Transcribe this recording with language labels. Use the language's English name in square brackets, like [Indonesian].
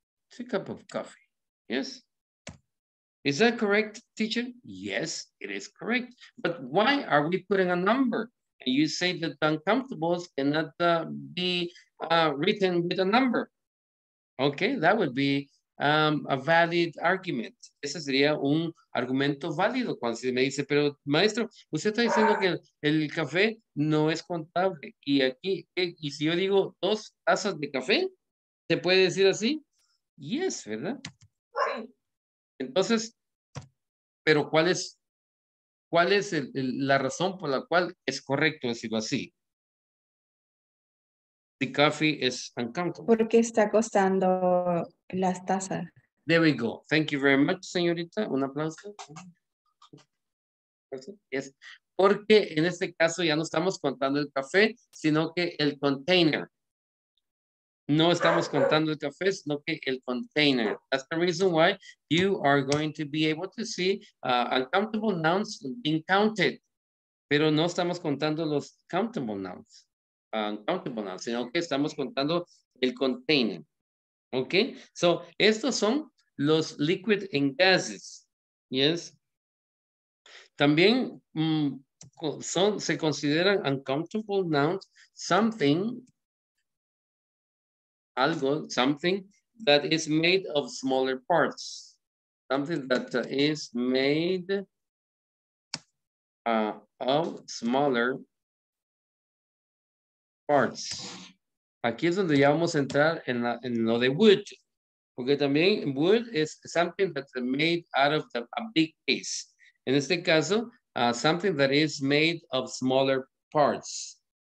[English] 2 cups of coffee, yes? Is that correct, teacher? Yes, it is correct. But why are we putting a number? And you say that the uncountables cannot be written with a number. Okay, that would be a valid argument. [Spanish] Ese sería un argumento válido cuando se me dice, pero maestro, usted está diciendo que el café no es contable. Y aquí, y si yo digo 2 tazas de café, ¿se puede decir así? [English] Yes, ¿verdad? [Spanish] Sí. Entonces, pero ¿cuál es la razón por la cual es correcto decirlo así? [English] The coffee is uncountable. [Spanish] Porque está costando las tazas. [English] There we go. Thank you very much, señorita. [Spanish] Un aplauso. [English] Yes. [Spanish] Porque en este caso ya no estamos contando el café, sino que el container. No estamos contando el café, sino que el container. [English] That's the reason why you are going to be able to see uncountable nouns being counted. [Spanish] Pero no estamos contando los countable nouns. Uncountable nouns, sino que estamos contando el container. [English] Okay, so [Spanish] estos son los [English] liquid and gases. Yes. [Spanish] También se consideran [English] uncountable nouns something that is made of smaller parts. Something that is made of smaller parts. [Spanish] Aquí es donde ya vamos a entrar en, la, en lo de wood. Porque también [English] wood is something that's made out of the, a big piece. [Spanish] En este caso, [English] something that is made of smaller parts.